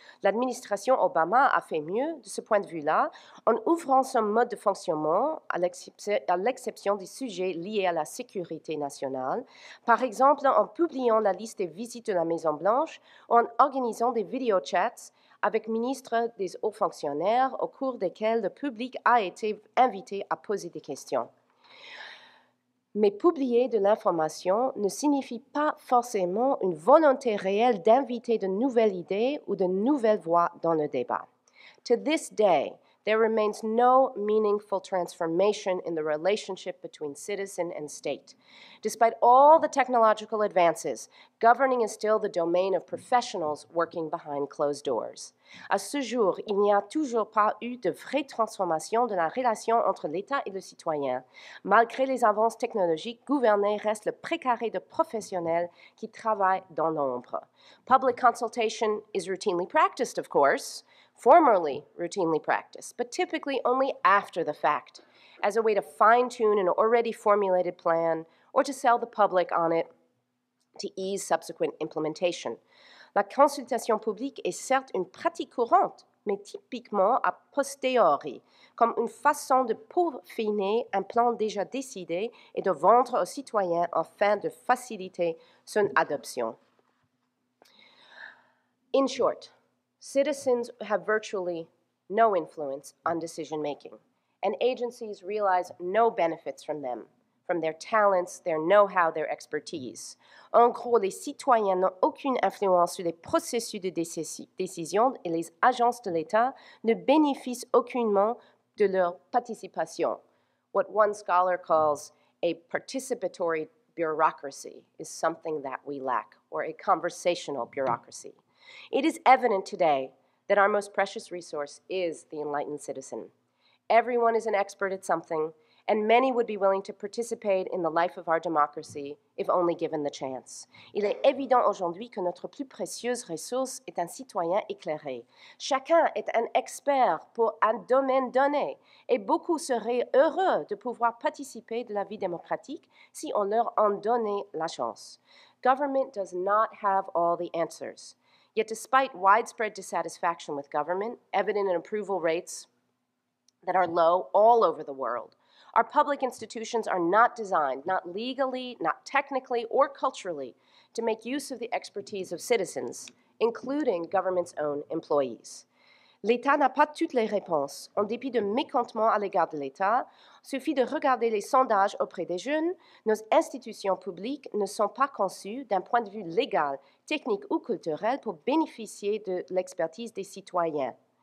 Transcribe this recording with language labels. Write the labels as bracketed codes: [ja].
[fr] L'administration Obama a fait mieux de ce point de vue-là en ouvrant son mode de fonctionnement à l'exception des sujets liés à la sécurité nationale, par exemple en publiant la liste des visites de la Maison-Blanche ou en organisant des video chats avec ministres des hauts fonctionnaires au cours desquels le public a été invité à poser des questions. Mais publier de l'information ne signifie pas forcément une volonté réelle d'inviter de nouvelles idées ou de nouvelles voix dans le débat. [en] To this day, there remains no meaningful transformation in the relationship between citizen and state. Despite all the technological advances, governing is still the domain of professionals working behind closed doors. [fr] À ce jour, il n'y a toujours pas eu de vraie transformation de la relation entre l'État et le citoyen. Malgré les avancées technologiques, gouverner reste le précaré de professionnels qui travaillent dans l'ombre. [en] Public consultation is routinely practiced, of course, formerly routinely practiced, but typically only after the fact, as a way to fine-tune an already formulated plan or to sell the public on it to ease subsequent implementation. [fr] La consultation publique est certes une pratique courante, mais typiquement a posteriori, comme une façon de peaufiner un plan déjà décidé et de vendre aux citoyens afin de faciliter son adoption. [en] In short, citizens have virtually no influence on decision-making, and agencies realize no benefits from them, from their talents, their know-how, their expertise. [fr] En gros, les citoyens n'ont aucune influence sur les processus de décision et les agences de l'État ne bénéficient aucunement de leur participation. [en] What one scholar calls a participatory bureaucracy is something that we lack, or a conversational bureaucracy. It is evident today that our most precious resource is the enlightened citizen. Everyone is an expert at something, and many would be willing to participate in the life of our democracy if only given the chance. [fr] Il est évident aujourd'hui que notre plus précieuse ressource est un citoyen éclairé. Chacun est un expert pour un domaine donné, et beaucoup seraient heureux de pouvoir participer de la vie démocratique si on leur en donnait la chance. [en] Government does not have all the answers. Yet despite widespread dissatisfaction with government, evident in approval rates that are low all over the world, our public institutions are not designed, not legally, not technically, or culturally, to make use of the expertise of citizens, including government's own employees. [fr] L'État n'a pas toutes les réponses. En dépit de mécontentement à l'égard de l'État, suffit de regarder les sondages auprès des jeunes. Nos institutions publiques ne sont pas conçues d'un point de vue légal, technique ou culturel pour bénéficier de l'expertise des citoyens.